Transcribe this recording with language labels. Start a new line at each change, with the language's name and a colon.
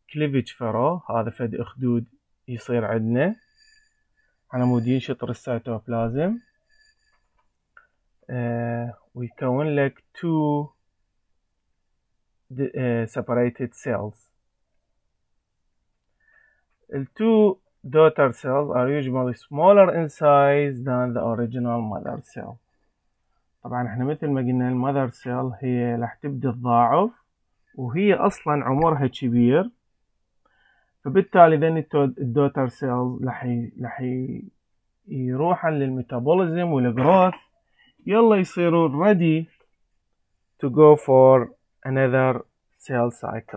Arabic: cleavage furrow هذا فد اخدود يصير عندنا على مود ينشطر السيتوبلازم ويكون لك two separated cells.
English: the two daughter cells are usually smaller in size than the original mother cell.
Arabic: طبعا احنا مثل ما قلنا المذر سيل هي راح تبدي تضاعف وهي اصلا عمرها كبير، فبالتالي ذن الدوتر سيل راح يروح للميتابوليزم والجروث، يلا يصيروا ريدي تو جو فور انذر سيل سايكل.